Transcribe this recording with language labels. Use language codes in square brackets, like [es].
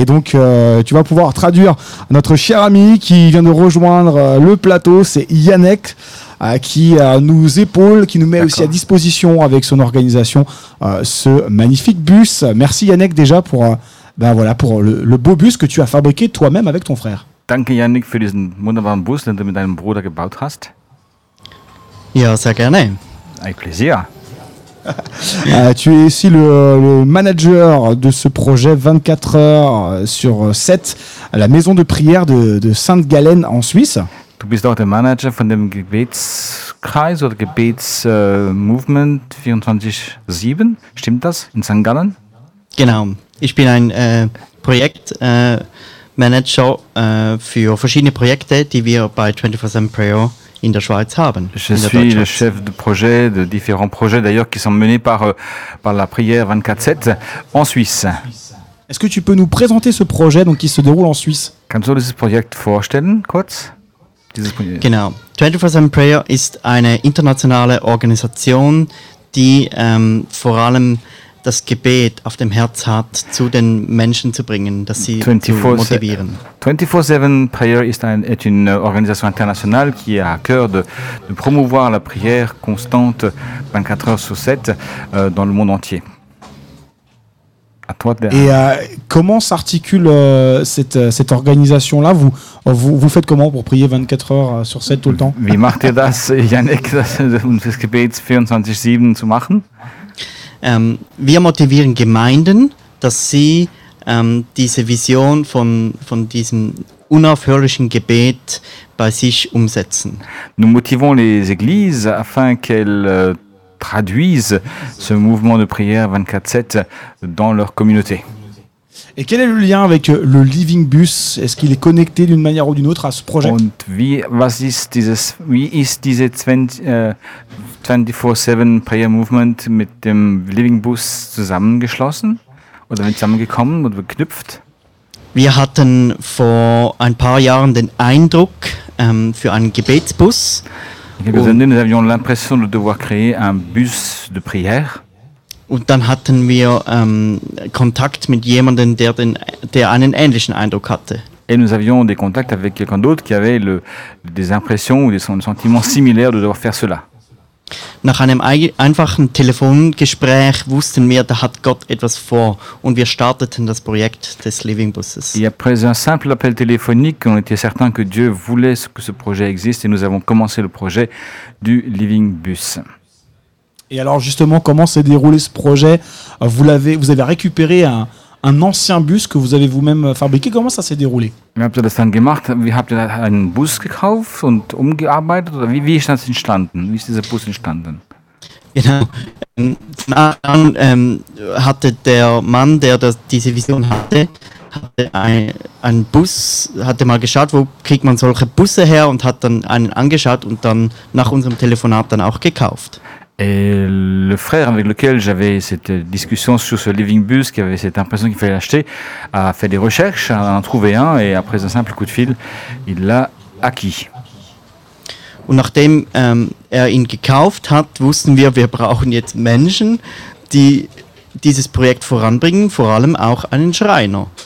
[fr] Et donc, tu vas pouvoir traduire notre cher ami qui vient de rejoindre le plateau. C'est Yannick qui nous épaule, qui nous met aussi à disposition avec son organisation ce magnifique bus. Merci Yannick déjà pour le beau bus que tu as fabriqué toi-même avec ton frère. [de] Danke Yannick für diesen wunderbaren Bus, den du mit deinem Bruder gebaut hast. Ja, sehr gerne. [fr] Avec plaisir. Tu es aussi le manager de ce projet 24 heures sur 7 à la maison de prière de Sainte-Galène en Suisse. [de] Du bist auch der Manager von dem Gebetskreis oder Gebetsmovement 24/7. Stimmt das in St. Gallen? Genau. Ich bin ein Projektmanager für verschiedene Projekte, die wir bei 24/7 Prayer in der Schweiz haben. [fr] Je suis le chef de projet de différents projets d'ailleurs qui sont menés par la prière 24/7 en Suisse. Est-ce que tu peux nous présenter ce projet donc qui se déroule en Suisse? [de] Kannst du dieses Projekt vorstellen kurz? Genau. 24/7 Prayer ist eine internationale Organisation, die vor allem das Gebet auf dem Herz hat, zu den Menschen zu bringen, dass sie zu motivieren. [fr] 24/7 Prayer ist une organisation internationale qui a à cœur de promouvoir la prière constante 24 heures sur 7 dans le monde entier. À toi, Bernard. Et comment s'articule cette organisation-là? Vous faites comment pour prier 24 heures sur 7 tout le temps? [de] Wie macht ihr das, Yannick, das Gebet 24/7 zu machen? Wir motivieren Gemeinden, dass sie diese Vision von diesem unaufhörlichen Gebet bei sich umsetzen. [fr] Nous motivons les églises afin qu'elles traduisent ce mouvement de prière 24/7 dans leur communauté. Et quel est le lien avec le Living Bus? Est-ce qu'il est connecté d'une manière ou d'une autre à ce projet? [de] Und wie ist diese 24/7 Prayer Movement mit dem Living Bus zusammengeschlossen oder zusammengekommen oder geknüpft? Wir hatten vor ein paar Jahren den Eindruck für einen Gebetsbus. [fr] Nous avions l'impression de devoir créer un bus de prière. [de] Und dann hatten wir Kontakt mit jemandem, der einen ähnlichen Eindruck hatte. [fr] Et nous avions des contacts avec quelqu'un d'autre qui avait des impressions ou des sentiments similaires de devoir faire cela. [de] Nach einem einfachen Telefongespräch wussten wir, da hat Gott etwas vor, und wir starteten das Projekt des Living Buses. [fr] Et après un simple appel téléphonique, on était certain que Dieu voulait que ce projet existe, et nous avons commencé le projet du Living Bus. Et alors justement, comment s'est déroulé ce projet? Vous avez récupéré un ancien bus que vous avez vous-même fabriqué. Comment ça s'est déroulé? [de] Wie habt ihr das dann gemacht? Wie habt ihr einen Bus gekauft und umgearbeitet? Oder wie ist das entstanden? Wie ist dieser Bus entstanden? Genau. Von Anfang an hatte der Mann, der diese Vision hatte einen Bus, hatte mal geschaut, wo kriegt man solche Busse her, und hat dann einen angeschaut und dann nach unserem Telefonat dann auch gekauft. [fr] Et le frère avec lequel j'avais cette discussion sur ce Living Bus, qui avait cette impression qu'il fallait l'acheter, a fait des recherches, a en trouvé un, et après un simple coup de fil, il l'a acquis. [de] Und nachdem er ihn gekauft hat, wussten wir brauchen jetzt Menschen, die dieses Projekt voranbringen, vor allem auch einen Schreiner.